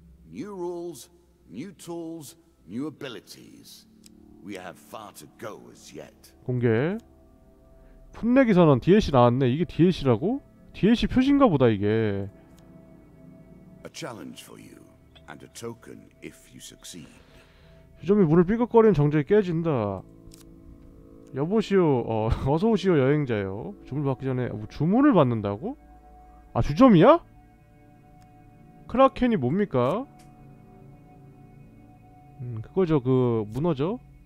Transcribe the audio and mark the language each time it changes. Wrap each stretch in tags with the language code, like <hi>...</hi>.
<en>New rules, new tools, new abilities. We have far to go as yet.</en> <ko>공개. 풋내기 선언 DLC 나왔네. 이게 DLC라고? DLC 표시인가 보다 이게.</ko> <en>A challenge for you and a token if you succeed.</en> <ko>주점이 문을 삐걱거리는 정적이 깨진다. 여보시오. 어서 오시오 여행자요. 주문을 받기 전에 뭐 주문을 받는다고? 아 주점이야? 크라켄이 뭡니까? 그거죠. 그 문어죠.</ko>